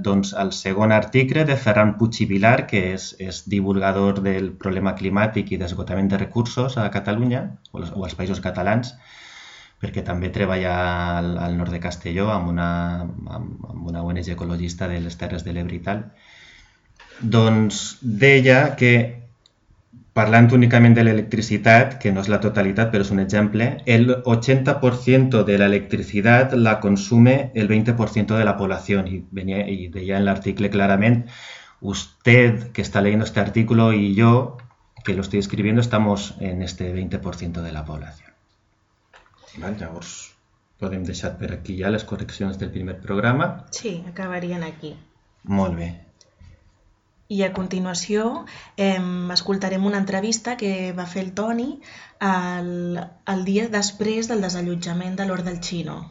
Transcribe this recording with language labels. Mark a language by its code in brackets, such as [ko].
[ca] Doncs el segon article de Ferran Puig i Vilar, que és divulgador del problema climàtic i d'esgotament de recursos a Catalunya o als països catalans, perquè també treballa al nord de Castelló amb una ONG ecologista de les Terres de l'Ebre i tal. Doncs deia que, parlant únicament de l'electricitat, que no és la totalitat, però és un exemple, el 80% de l'electricitat la consume el 20% de la població. I deia en l'article clarament, [es] usted que está leyendo este artículo y yo que lo estoy escribiendo estamos en este 20% de la población. [ca] Vale, llavors podem deixar per aquí ja les correccions del primer programa. Sí, acabarien aquí. Molt bé. I a continuació escoltarem una entrevista que va fer el Toni el dia després del desallotjament de l'Hort del Xino.